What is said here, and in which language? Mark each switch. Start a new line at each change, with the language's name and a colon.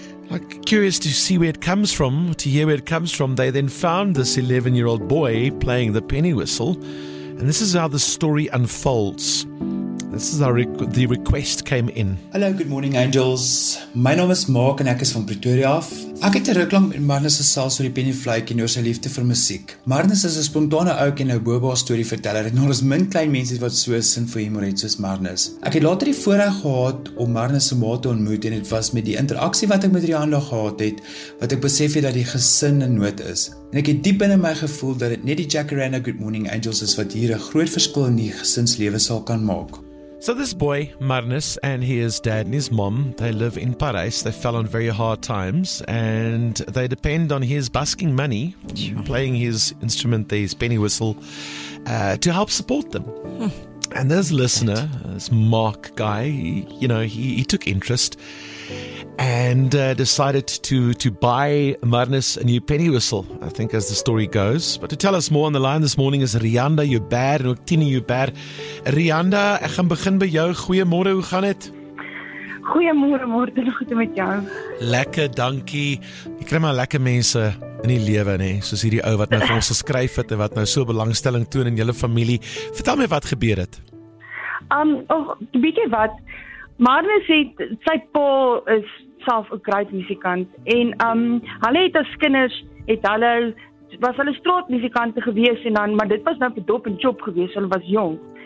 English: Like, curious to see where it comes from, to hear where it comes from, they then found this 11-year-old boy playing the penny whistle. And this is how the story unfolds. This is how the request came in. Hello, good morning, angels. My name is Mark and ek is from Pretoria.
Afrikaans: Ek het 'n ruk lank met Marnus gesels oor die penny fluit en oor sy liefde vir musiek. Marnus is 'n spontane ou en 'n boba storieverteller en daar is min klein mense wat so sin vir humor het soos Marnus. Ek het later die voorreg gehad om Marnus se ma te ontmoet en dit was met die interaksie wat ek met Rihanna gehad het, wat ek besef het dat die gesin 'n nood is. En ek het diep binne my gevoel dat dit net die Jacaranda Good Morning Angels is wat hier 'n groot verskil in die gesinslewe sal kan maak.
English: So this boy, Marnus, and his dad and his mom, they live in Parijs. They fell on very hard times, and they depend on his busking money, playing his instrument, his penny whistle, to help support them. And this listener, this Mark guy, he took interest and decided to buy Marnus a new penny whistle, I think, as the story goes. But to tell us more on the line this morning is Rianda Joubert and Octini Joubert.
Afrikaans: Rianda, ek gaan begin by jou. Goeiemôre, hoe gaan dit? Goeiemôre, Morten, goed met jou. Lekker, dankie. Jy kry maar lekker mense in die lewe, nê? Soos hierdie ou wat nou vir ons geskryf het en wat nou so belangstelling toon in julle familie. Vertel my wat gebeur het. Weet jy wat? Marnus het, sy pa is self 'n groot musikant en hulle het as kinders was hulle straatmusikante gewees en dan, maar dit was nou vir dop en chop gewees, hulle was jong.